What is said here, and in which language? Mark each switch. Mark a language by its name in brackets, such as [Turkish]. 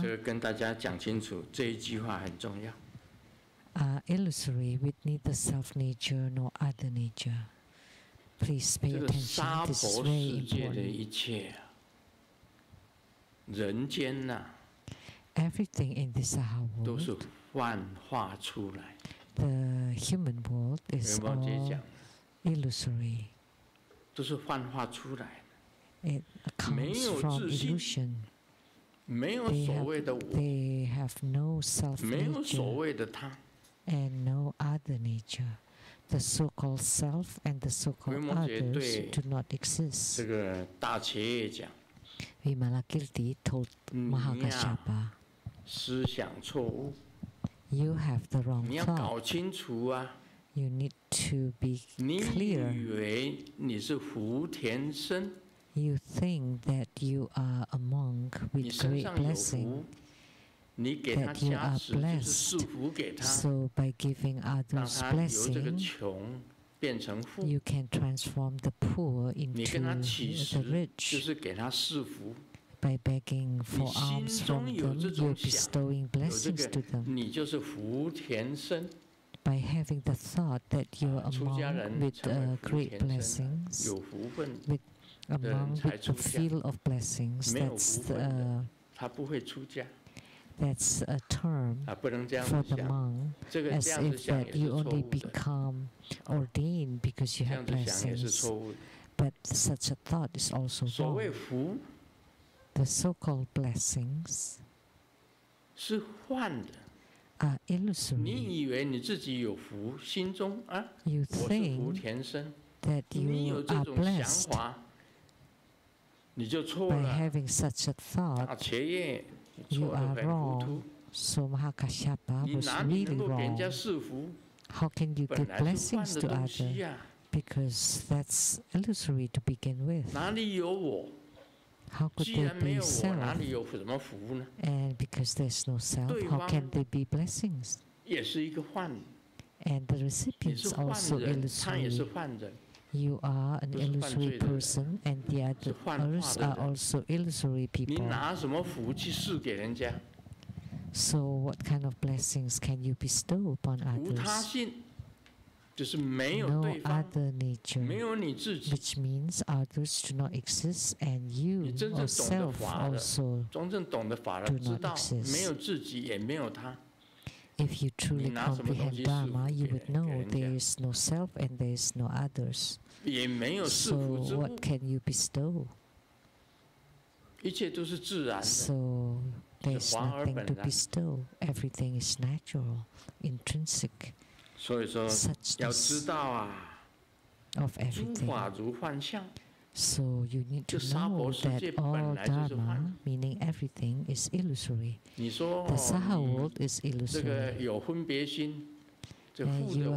[Chinese] 这个跟大家讲清楚，这一句话很重要。 [English] Illusory with neither self nature nor other nature. Please pay attention. [Chinese] 这个娑婆世界的一切，人间呐， [English] everything in this world [Chinese] 都是幻化出来。 [English] The human world is all illusory. [Chinese] 都是幻化出来的。 [English] It comes from illusion. [Chinese] 没有所谓的我。 [English] They have no self nature. [Chinese] 没有所谓的他。 [English] And no other nature. The so-called self and the so-called others do not exist. [Chinese] 这个大企业讲。 [English] Vimalakirti told Mahakashyapa. [Chinese] 思想错误。 [English] You have the wrong thought. [Chinese] 你要搞清楚啊！ [English] You need to be clear. [Chinese] 你以为你是福田僧？ [English] You think that you are a monk with great blessing. [Chinese] 你给他加持就是赐福给他。 [English] So by giving others blessing, [Chinese] 让他由这个穷变成富。 [English] You can transform the poor into the rich. [Chinese] 就是给他赐福。 [English] By begging for alms from them, you're bestowing blessings to them. [Chinese] 你就是福田僧。 [English] By having the thought that you're a monk with great blessings, [Chinese] 有福分的人才出家。 [English] A monk with the feel of blessings, [Chinese] 没有福分的，他不会出家。 [English] That's a term for the monk, as if that you only become ordained because you have blessings. But such a thought is also wrong. [Chinese] 所谓福。 [English] The so-called blessings [Chinese] 是幻的 [English] are illusory. [Chinese] 你以为你自己有福，心中啊，我是福田僧。 [English] That you are blessed. [Chinese] 你有这种想法，你就错了。 [English] By having such a thought, you are wrong. So Mahakashyapa was really wrong. How can you give blessings to others? Because that's illusory to begin with. [Chinese] 哪里有我？ [English] How could they be self? [Chinese] 哪里有什么福呢？ [English] And because there's no self, how can they be blessings? [Chinese] 也是一个幻。 [English] And the recipients also illusory. [Chinese] 他也是幻人。 [English] You are an illusory person, and the others are also illusory people. [Chinese] 你拿什么福去赐给人家？ [English] So what kind of blessings can you bestow upon others? [Chinese] 无他性，就是没有对方， [English] no other nature, [Chinese] 没有你自己， [English] which means others do not exist and you yourself also do not exist. [Chinese] 你真正懂得法了，知道没有自己也没有他。 [English] If you truly comprehend Dharma, you would know there is no self and there is no others. [Chinese] 也没有是福之物。 [English] So what can you bestow? [Chinese] 一切都是自然的。 [English] So there is nothing to bestow. Everything is natural, intrinsic. [Chinese] 所以说要知道啊，诸法如幻相。 [English] So you need to know that all dharma, meaning everything, is illusory. [Chinese] 你说 [English] the saha world is illusory. [Chinese] 这个有分别心，这富的我不去。